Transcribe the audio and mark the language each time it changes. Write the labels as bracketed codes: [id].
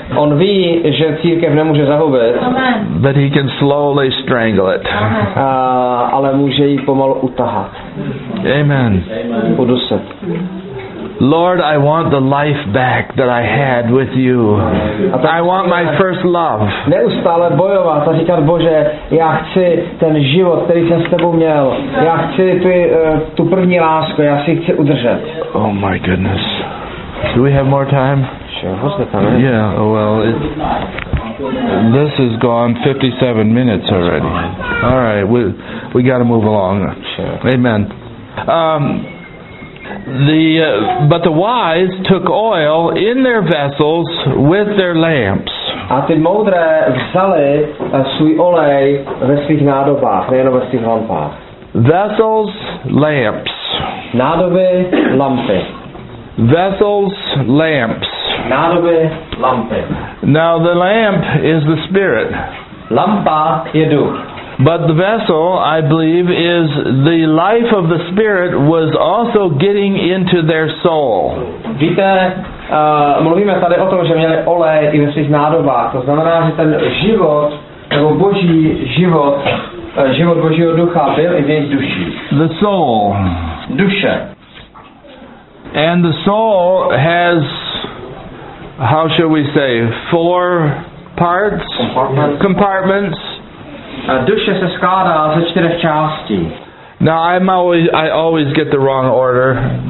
[cs] On ví, že církev nemůže zahubit. [en] But he can slowly strangle it. [cs] Ale může ji pomalu utahat. Amen. Budu se. [en] Lord, I want the life back that I had with you. I want my first love. [cs] Neustále bojovat a říkat, Bože, já chci ten život, který jsem s tebou měl. Já chci tu první lásku, já si chci udržet. [en] Oh my goodness. Do we have more time? Yeah, well, this has gone 57 minutes already. All right, we got to move along. Amen. But the wise took oil in their vessels with their lamps. [cs] A ty moudré vzali svůj olej ve svých nádobách, nejen ve svých lampách. [en] Vessels, lamps. [cs] Nádoby, lampy. [en] Vessels, lamps. [cs] Nádoby, lampy. [en] Now the lamp is the spirit. [cs] Lampa je duch. [en] But the vessel, I believe, is the life of the spirit was also getting into their soul. [cs] Víte, mluvíme tady o tom, že měli olej i ve svých nádobách. To znamená, že ten život, nebo boží život, život božího ducha byl i v jejich duši. [en] The soul. [cs] Duše. [en] And the soul has, how shall we say, four parts? Compartments. [cs] A duše se skládá ze čtyřech částí. [en] Now I always get the wrong order.